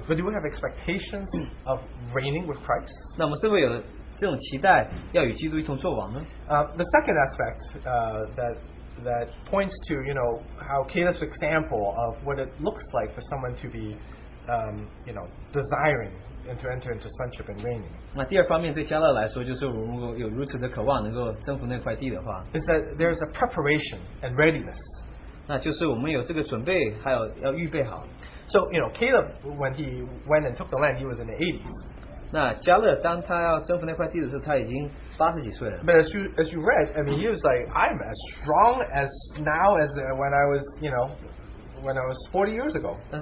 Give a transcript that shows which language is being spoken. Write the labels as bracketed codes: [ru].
[en] But do we have expectations of reigning with Christ? [zh] 那我们是否有 这种期待要与基督一同作王呢? [en] The second aspect that points to, you know, how Caleb's example of what it looks like for someone to be, you know, desiring and to enter into sonship and reigning. [zh] 那第二方面对加勒来说，就是如果有如此的渴望，能够征服那块地的话， [en] is that there is a preparation and readiness. [zh] 那就是我们有这个准备，还有要预备好。 [en] So you know, Caleb when he went and took the land, he was in the 80s. [zh] 那加勒当他要征服那块地的时候，他已经80几岁了。 [en] But as you read, I mean, he was like, I'm as strong as now as when I was, you know, when I was 40 years ago.